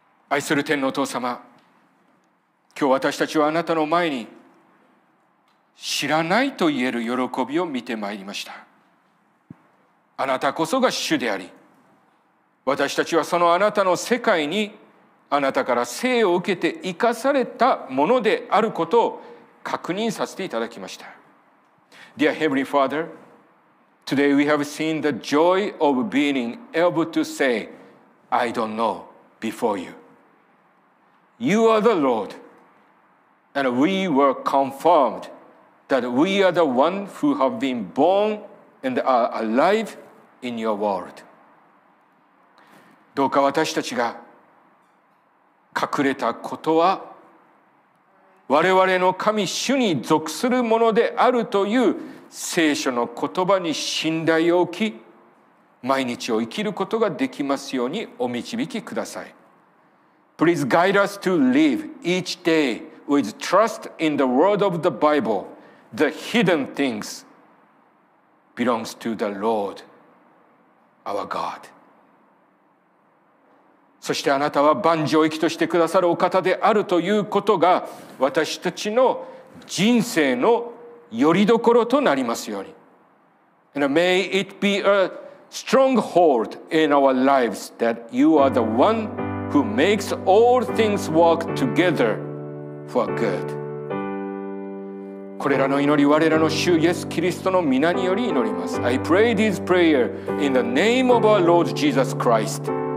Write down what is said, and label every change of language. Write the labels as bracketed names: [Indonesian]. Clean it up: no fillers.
[Japanese] 愛する天のお父様、今日私たちはあなたの前に知らないと言える喜びを見てまいりました。あなたこそが主であり、私たちはそのあなたの世界にあなたから生を受けて生かされたものであることを確認させていただきました。 [English] Dear Heavenly Father, Today we have seen the joy of being able to say I don't know before youYou are the Lord, and we were confirmed that we are the one who have been born and are alive in your world. [Japanese] どうか私たちが隠れたことは我々の神主に属するものであるという聖書の言葉に信頼を置き、毎日を生きることができますようにお導きください。 [English] Please guide us to live each day with trust in the word of the Bible, the hidden things belongs to the Lord, our God. [Japanese] そしてあなたは万事を益としてくださるお方であるということが私たちの人生のよりどころとなりますように。 [English] And may it be a stronghold in our lives that you are the one who makes all things work together for good. [Japanese] これらの祈り、我らの主イエス・キリストの御名により祈ります。 [English] I pray this prayer in the name of our Lord Jesus Christ.